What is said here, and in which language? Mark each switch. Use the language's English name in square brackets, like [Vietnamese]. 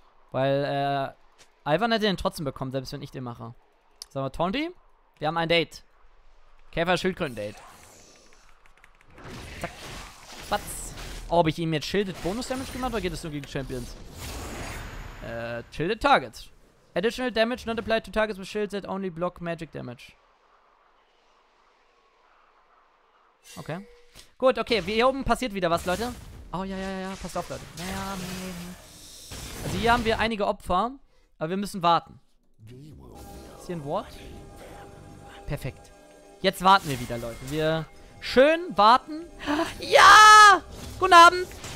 [German] Weil, Ivan hätte den trotzdem bekommen, selbst wenn ich den mache. Sagen wir, Tondi? Wir haben ein Date. Käfer-Schildkröten-Date. Zack. Batz. Ob ich ihm jetzt Shielded Bonus Damage gemacht oder geht es nur gegen Champions? [English] Shielded Targets. Additional Damage not applied to Targets with Shielded, only block Magic Damage. [German] Okay. Gut, okay. Hier oben passiert wieder was, Leute. Oh, ja. Passt auf, Leute. Naja, nee. Also hier haben wir einige Opfer. Aber wir müssen warten. Ist hier ein Ward? Perfekt. Jetzt warten wir wieder, Leute. Wir schön warten. Ja! Guten Abend.